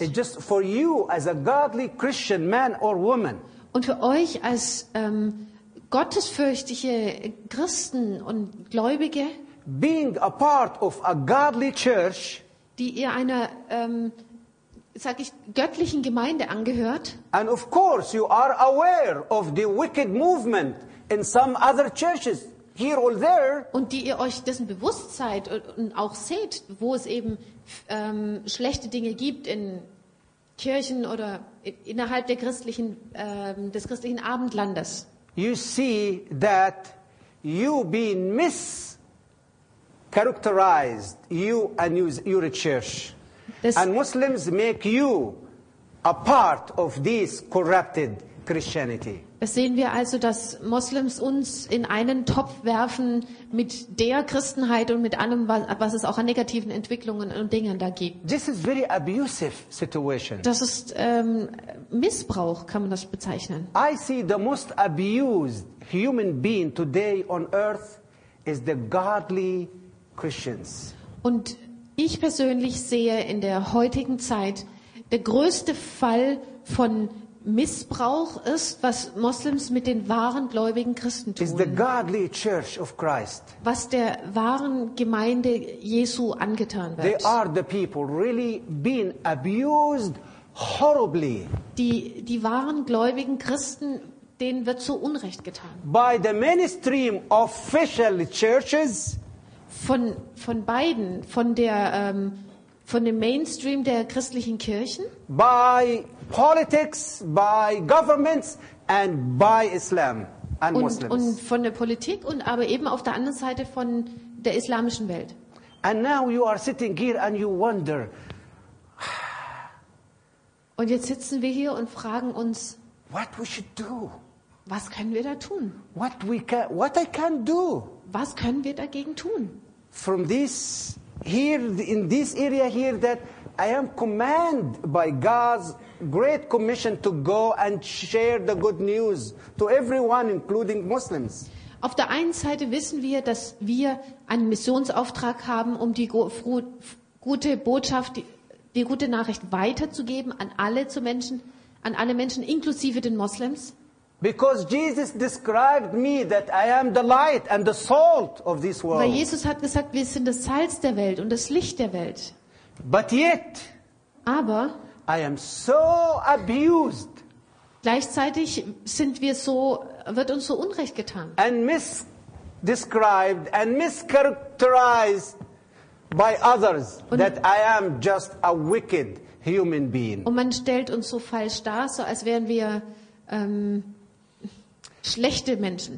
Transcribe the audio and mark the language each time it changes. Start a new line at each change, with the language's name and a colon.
English: It's just for you as a godly Christian man or woman.
German: Und für euch als gottesfürchtige Christen und Gläubige,
English: being a part of a godly church,
German: die ihr einer sag ich göttlichen Gemeinde angehört.
English: And of course you are aware of the wicked movement in some other churches here or there.
German: Und die ihr euch dessen bewusst seid und auch seht, wo es eben schlechte Dinge gibt in Kirchen oder innerhalb der christlichen des christlichen Abendlandes.
English: You see that you been mischaracterized, you and your church. And Muslims make you a part of this corrupted Christianity.
German: Das sehen wir also, dass Muslims uns in einen Topf werfen mit der Christenheit und mit allem, was es auch an negativen Entwicklungen und Dingen da gibt.
English: This is very abusive situation.
German: Das ist Missbrauch, kann man das bezeichnen.
English: I see the most abused human being today on earth is the godly Christians.
German: Und ich persönlich sehe in der heutigen Zeit, der größte Fall von Missbrauch ist, was Moslems mit den wahren gläubigen Christen tun.
English: Is the godly church of Christ.
German: Was der wahren Gemeinde Jesu angetan wird.
English: They are the people really being abused horribly.
German: Die wahren gläubigen Christen, denen wird so Unrecht getan.
English: By the mainstream official churches.
German: Von beiden, von dem Mainstream der christlichen Kirchen,
English: by politics, by governments and by Islam and Muslims,
German: und von der Politik und aber eben auf der anderen Seite von der islamischen Welt.
English: And now you are sitting here and you wonder.
German: Und jetzt sitzen wir hier und fragen uns,
English: what we should do.
German: Was können wir da tun?
English: What I can do.
German: Was können wir dagegen tun?
English: From this here in this area here that I am commanded by God's great commission to go and share the good news to everyone including Muslims.
German: Auf der einen Seite wissen wir, dass wir einen Missionsauftrag haben, um die gute Botschaft, die gute Nachricht weiterzugeben an alle Menschen inklusive den Moslems.
English: Because Jesus described me that I am the light and the salt of this world.
German: Weil Jesus hat gesagt, wir sind das Salz der Welt und das Licht der Welt.
English: But yet,
German: aber
English: I am so abused.
German: Gleichzeitig sind wir so, wird uns so Unrecht getan.
English: And misdescribed and mischaracterized by others that I am just a wicked human being.
German: Und man stellt uns so falsch dar, so als wären wir schlechte Menschen.